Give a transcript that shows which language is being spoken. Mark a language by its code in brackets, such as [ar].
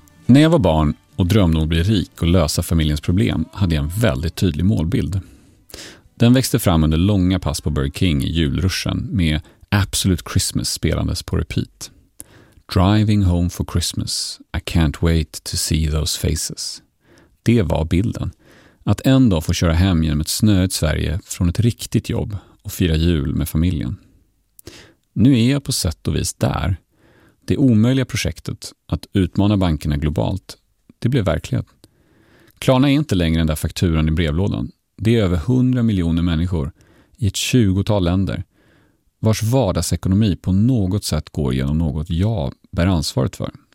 [sv] När jag var barn och drömde om att bli rik och lösa familjens problem hade jag en väldigt tydlig målbild. Den växte fram under långa pass på Burger King i julruschen med Absolute Christmas spelandes på repeat. [en] Driving home for Christmas, I can't wait to see those faces. [sv] Det var bilden. Att en dag få köra hem genom ett snöigt Sverige från ett riktigt jobb och fira jul med familjen. Nu är jag på sätt och vis där. Det omöjliga projektet att utmana bankerna globalt, det blev verklighet. Klarna är inte längre den där fakturan i brevlådan. Det är över 100 miljoner människor i ett 20-tal länder vars vardagsekonomi på något sätt går genom något jag bär ansvaret för.